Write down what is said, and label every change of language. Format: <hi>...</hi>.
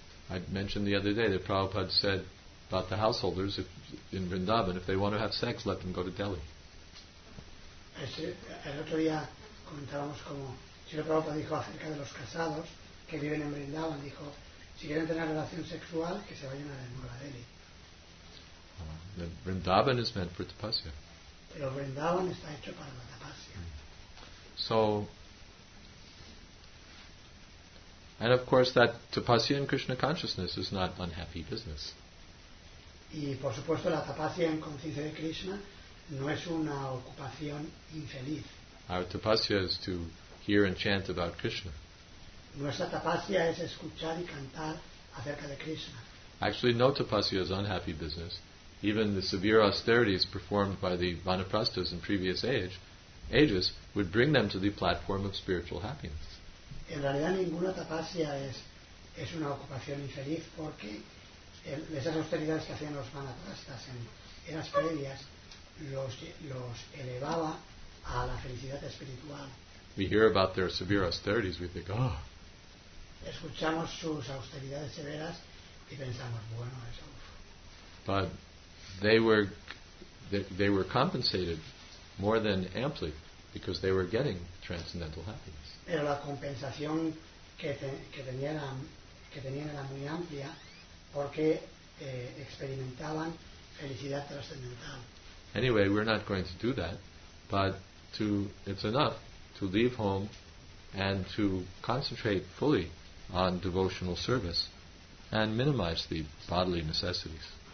<en>I mentioned the other day that Prabhupada said about the householders in Vrindavan, if they want to have sex, let them go to Delhi.</en> <es>El otro día comentábamos como Srila Prabhupada dijo acerca de los casados que viven en Vrindavan, dijo, si quieren tener relación sexual, que se vayan a Nueva Delhi.</es> <en>Vrindavan is meant for tapasya.</en> <es>Pero Vrindavan está hecho para la tapasya.</es> <en>So, and of course that tapasya in Krishna consciousness is not unhappy business.</en> <es>Y por supuesto la tapasya en conciencia de Krishna no es una ocupación infeliz.</es> <en>Our tapasya is to hear and chant about Krishna.</en> <es>Nuestra tapasya es escuchar y cantar acerca de Krishna.</es> <en>Actually, no tapasya is unhappy business. Even the severe austerities performed by the vanaprastas in previous ages would bring them to the platform of spiritual happiness.</en> <es>En realidad ninguna tapasya es una ocupación infeliz porque esas austeridades que hacían los vanaprastas en eras previas los elevaba a la felicidad espiritual.</es> <en>We hear about their severe austerities, we think, oh.</en> <es>Escuchamos sus austeridades severas y pensamos, bueno, eso.</es> <en>But they were compensated more than amply because they were getting transcendental happiness.</en> <es>Pero la compensación que tenían era muy amplia porque experimentaban felicidad trascendental.</es> <en>Anyway, we're not going to do that, but it's enough to leave home and to concentrate fully on devotional service and minimize the bodily necessities.</en>